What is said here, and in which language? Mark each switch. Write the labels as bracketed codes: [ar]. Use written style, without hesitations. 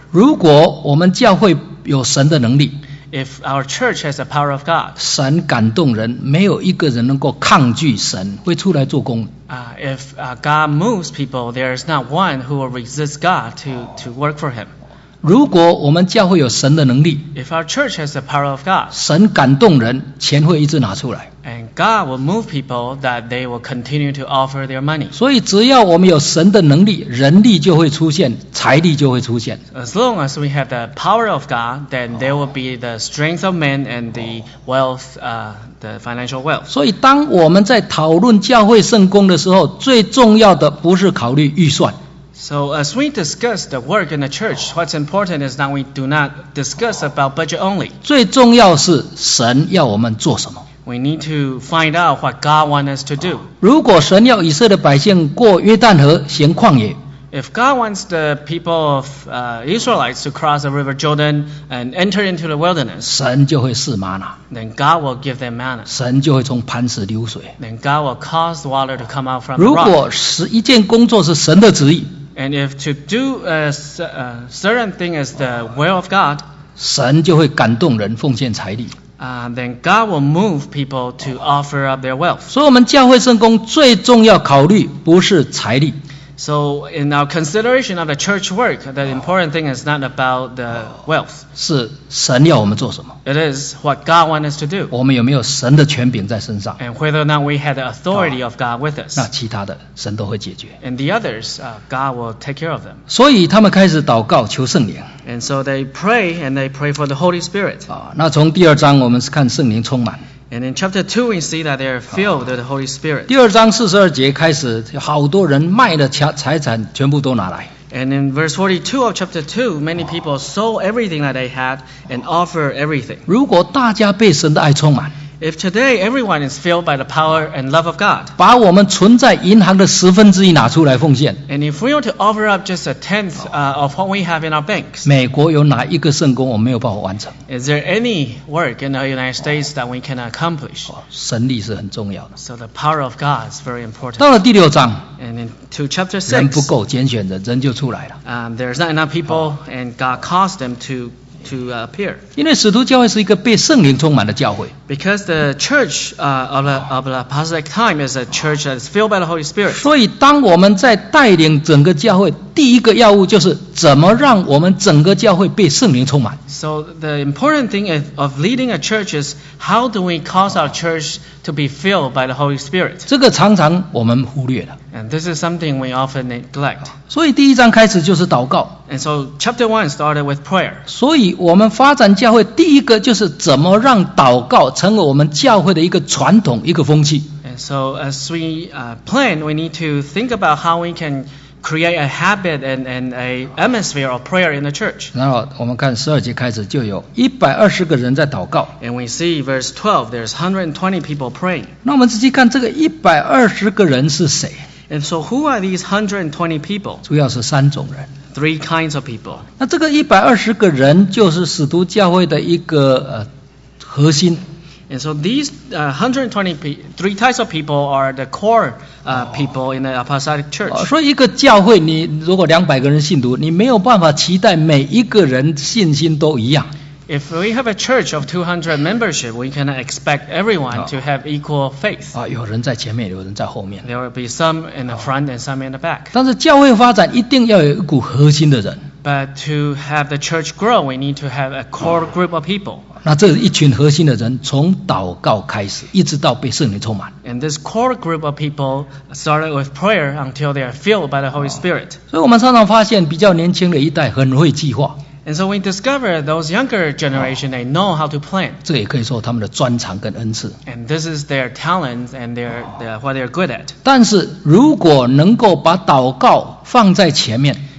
[zh] 如果我们教会有神的能力， [en] if our church has the power of God, [zh] 神感动人，没有一个人能够抗拒神，会出来做工。 [en] If God moves people, there is not one who will resist God to work for him. [zh] 如果我们教会有神的能力， [en] if our church has the power of God, [zh] 神感动人，钱会一直拿出来。 [en] And God will move people that they will continue to offer their money. [zh] 所以只要我们有神的能力，人力就会出现，财力就会出现。 [en] As long as we have the power of God, then there will be the strength of men and the wealth, the financial wealth. [zh] 所以当我们在讨论教会圣工的时候，最重要的不是考虑预算。 [en] So as we discuss the work in the church, what's important is that we do not discuss about budget only. [zh] 最重要是神要我们做什么。 [en] We need to find out what God wants us to do. [zh] 如果神要以色列百姓过约旦河行旷野， [en] If God wants the people of Israelites to cross the river Jordan and enter into the wilderness, [zh] 神就会赐玛拿， [en] Then God will give them manna. [zh] 神就会从磐石流水， [en] Then God will cause the water to come out from the rock. [zh] 如果一件工作是神的旨意， [en] And if to do a certain thing is the will of God, [zh] 神就会感动人奉献财力。 [en] Then God will move people to offer up their wealth. [zh] 所以我们教会圣工最重要考虑不是财力。 [en] So in our consideration of the church work, the important thing is not about the wealth. [zh] 是神要我们做什么。 [en] It is what God wants us to do. [zh] 我们有没有神的权柄在身上。 [en] And whether or not we have the authority of God with us. [zh] 那其他的神都会解决。 [en] And the others, God will take care of them. [zh] 所以他们开始祷告求圣灵。 [en] And so they pray and they pray for the Holy Spirit. [zh] 那从第二章我们看圣灵充满。 [en] And in chapter 2, we see that they are filled with the Holy Spirit. [zh] 第二章42节开始，好多人卖了财产，全部都拿来。 [en] And in verse 42 of chapter 2, many people sold everything that they had and offered everything. [zh] 如果大家被神的爱充满， [en] If today everyone is filled by the power and love of God, [zh] 把我们存在银行的十分之一拿出来奉献。 [en] And if we were to offer up just a tenth of what we have in our banks, [zh] 美国有哪一个圣工我没有办法完成？ [en] Is there any work in the United States that we can accomplish? [zh] 神力是很重要的。 [en] So the power of God is very important. [zh] 到了第六章， [en] And into chapter 6, [zh] 人不够拣选的人就出来了。 [en] There's not enough people, and God caused them to appear. [zh] 因为使徒教会是一个被圣灵充满的教会。 [en] Because the church of the apostolic time is a church that is filled by the Holy Spirit. [zh] 所以当我们在带领整个教会，第一个要务就是怎么让我们整个教会被圣灵充满。 [en] So the important thing of leading a church is how do we cause our church to be filled by the Holy Spirit? [zh] 这个常常我们忽略了。 [en] And this is something we often neglect. [zh] 所以第一章开始就是祷告。 [en] And so chapter 1 started with prayer. [zh] 所以我们发展教会第一个就是怎么让祷告成为我们教会的一个传统，一个风气。 [en] And so as we plan, we need to think about how we can create a habit and an atmosphere of prayer in the church. [zh] 然后我们看十二节开始就有120个人在祷告。 [en] And we see verse 12, there's 120 people praying. [zh] 那我们仔细看这个120个人是谁。 [en] And so who are these 120 people? [zh] 主要是三种人。 [en] Three kinds of people. [zh] 那这个120个人就是使徒教会的一个核心。 [en] And so these 120 three types of people are the core people in the apostolic church. [zh] 所以一个教会，你如果200个人信徒，你没有办法期待每一个人信心都一样。 [en] If we have a church of 200 membership, we cannot expect everyone to have equal faith. [zh] 有人在前面，有人在后面。 [en] There will be some in the front and some in the back. [zh] 但是教会发展一定要有一股核心的人。 [en] But to have the church grow, we need to have a core group of people. [zh] 那这一群核心的人从祷告开始，一直到被圣灵充满。 [en] And this core group of people started with prayer until they are filled by the Holy Spirit. [zh] 所以我们常常发现比较年轻的一代很会计划。 [en] And so we discover those younger generation, they know how to plan. [zh] 这也可以说他们的专长跟恩赐。 [en] And this is their talent and their what they're good at. [zh] 但是如果能够把祷告放在前面，